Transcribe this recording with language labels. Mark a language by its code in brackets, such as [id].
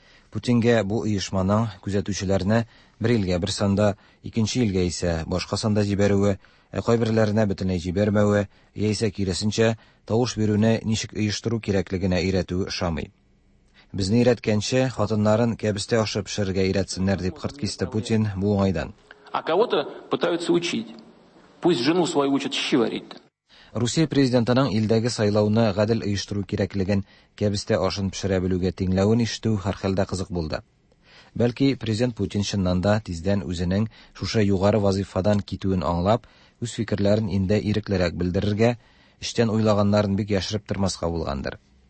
[tt] Путингә бу оешманың күзәтүчеләренә бер илгә бер санда, икенче илгә исә башка санда җибәрүе, ә кайберләренә бөтенләй җибәрмәүе, яисә киресенчә тавыш бирүне ничек оештыру кирәклегенә өйрәтүе ошамый. Безне өйрәткәнчә, хатыннарын кәбестә ашып пешерергә өйрәтсеннәр дип кырт кисте Путин бу уңайдан. [ru] А кого-то пытаются учить. Пусть жену свою учат щи варить. [tt] Русия президентының илдәге сайлауны гадел оештыру кирәклеген кәбестә ашын пешерә белүгә тиңләвен ишетү һәрхәлдә кызык булды. Бәлки президент Путин шыннанда тиздән үзенең шушы югары вазифадан китүен аңлап, үз фикерләрен инде иреклерәк белдерергә, эчтән уйлаганнарын бик яшереп тормаска булгандыр.